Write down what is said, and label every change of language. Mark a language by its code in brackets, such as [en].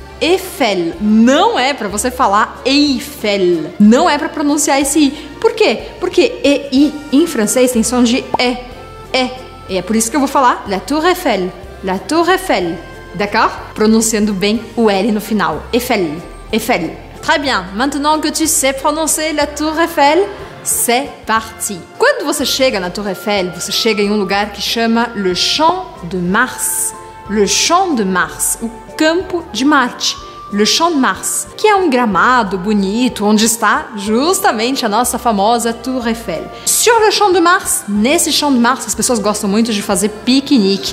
[pt] Eiffel não é para você falar Eiffel. Não é para pronunciar esse I. Por quê? Porque EI em francês tem som de E. E. E é por isso que eu vou falar [fr] la tour Eiffel. La tour Eiffel. D'accord? [pt] Pronunciando bem o L no final. [fr] Eiffel. Eiffel. Très bien. Maintenant que tu sais prononcer la tour Eiffel, c'est parti. [pt] Quando você chega na Torre Eiffel, você chega em um lugar que chama Le Champ de Mars. Le Champ de Mars, o Campo de Marte. Le Champ de Mars, que é um gramado bonito onde está justamente a nossa famosa Tour Eiffel. [fr] Sur le Champ de Mars, [pt] nesse Champ de Mars, as pessoas gostam muito de fazer piquenique.